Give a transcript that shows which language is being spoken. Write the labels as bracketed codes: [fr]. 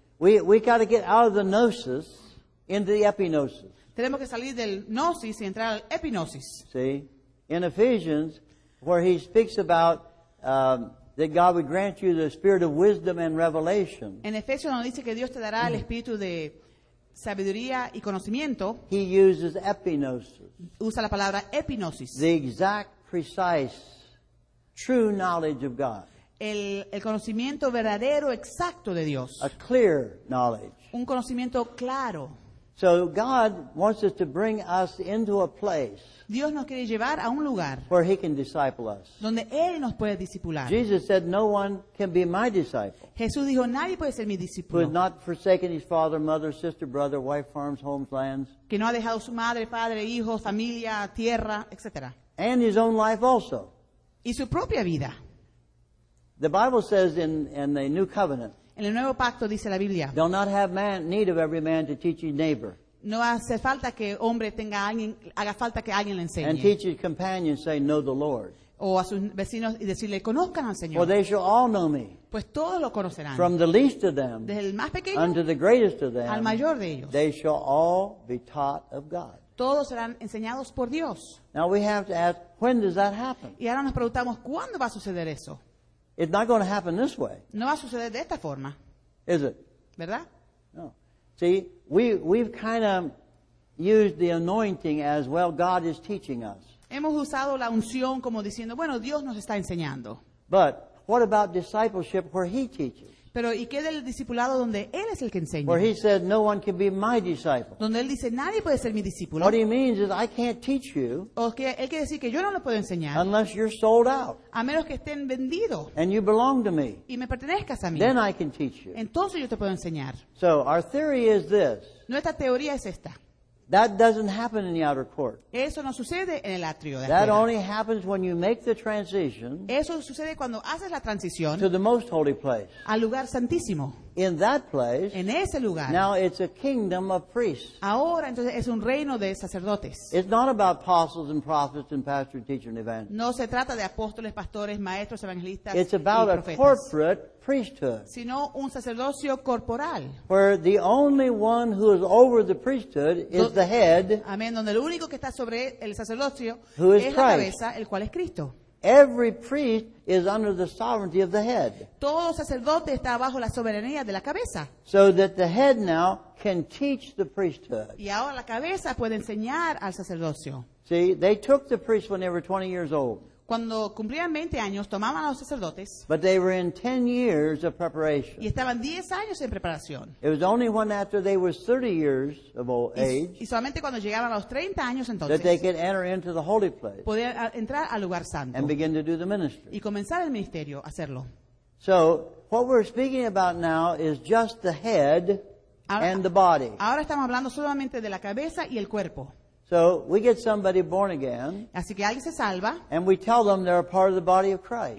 [en] We got to get out of the gnosis into the epinosis. [es] Tenemos que salir del gnosis y entrar al epinosis. [en] See? In Ephesians, where he speaks about that God would grant you the spirit of wisdom and revelation. [es] En Efesios nos dice que Dios te dará el espíritu de sabiduría y conocimiento. [en] He uses epinosis. [es] Usa la palabra epinosis. [en] The exact, precise, true knowledge of God. [es] El conocimiento verdadero, exacto de Dios. [en] A clear knowledge. [es] Un conocimiento claro. [en] So God wants us to bring us into a place. [es] Dios nos quiere llevar a un lugar. [en] Where He can disciple us. [es] Donde Él nos puede discipular. [en] Jesus said, "No one can be my disciple." [es] Jesús dijo, "Nadie puede ser mi discípulo." [en] Who has not forsaken his father, mother, sister, brother, wife, farms, homes, lands. [es] Que no ha dejado su madre, padre, hijos, familia, tierra, etc. [en] And his own life also. [es] Y su propia vida. [en] The Bible says in the New Covenant. [es] En el Nuevo Pacto dice la Biblia. [en] Do not have man need of every man to teach his neighbor. [es] No hace falta que hombre tenga alguien, haga falta que alguien le enseñe. [en] And teach his companion, say, know the Lord. [es] O a sus vecinos y decirle, conozcan al Señor. [en] For they shall all know me. [es] Pues todos lo conocerán. [en] From the least of them, [es] desde el más pequeño, [en] unto the greatest of them, [es] al mayor de ellos. [en] They shall all be taught of God. [es] Todos serán enseñados por Dios. [en] Now we have to ask, when does that happen? [es] Y ahora nos preguntamos, ¿cuándo va a suceder eso? [en] It's not going to happen this way. [es] No va a suceder de esta forma. [en] Is it? [es] ¿Verdad? [en] No. See, we've kind of used the anointing as, well, God is teaching us. [es] Hemos usado la unción como diciendo, bueno, Dios nos está enseñando. [en] But what about discipleship where He teaches? [es] Pero ¿y qué del discipulado donde Él es el que enseña? [en] Where He said, no one can be my disciple. [es] Donde Él dice, nadie puede ser mi discípulo. [en] What He means is, I can't teach you. [es] O que Él quiere decir que yo no lo puedo enseñar. [en] Unless you're sold out. [es] A menos que estén vendidos. [en] And you belong to me. [es] Y me pertenezcas a mí. [en] Then I can teach you. [es] Entonces yo te puedo enseñar. [en] So our theory is this. [es] Nuestra teoría es esta. [en] That doesn't happen in the outer court. [es] Eso no sucede en el atrio de [en] that only happens when you make the transition. [es] Eso sucede cuando haces la transición [en] to the most holy place. [es] Al lugar santísimo. [en] In that place. [es] En ese lugar. [en] Now it's a kingdom of priests. [es] Ahora entonces es un reino de sacerdotes. [en] It's not about apostles and prophets and pastors, teachers and evangelists. [es] No se trata de apóstoles, pastores, maestros, evangelistas. [en] It's about [es] y profetas. [en] A corporate priesthood. [es] Sino un sacerdocio corporal. [en] Where the only one who is over the priesthood is the head. [es] Amén. Donde el único que está sobre el sacerdocio [en] who is [es] es [en] Christ. [es] La cabeza, el cual es Cristo. [en] Every priest is under the sovereignty of the head. [es] Todo sacerdote está bajo la soberanía de la cabeza. [en] So that the head now can teach the priesthood. [es] Y ahora la cabeza puede enseñar al sacerdocio. [en] See, they took the priest when they were 20 years old. [es] Cuando cumplían 20 años, tomaban a los sacerdotes. [en] But they were in 10 years of preparation. [es] Y estaban 10 años en preparación. [en] It was only when after they were 30 years of old age. [es] Y solamente cuando llegaban a los 30 años entonces. [en] That they could enter into the holy place. [es] Podían entrar al lugar santo. [en] And begin to do the ministry. [es] Y comenzar el ministerio, hacerlo. [en] So, what we're speaking about now is just the head. and the body. [es] Ahora estamos hablando solamente de la cabeza y el cuerpo. [en] So we get somebody born again. [es] Así que alguien se salva. [en] And we tell them they're a part of the body of Christ.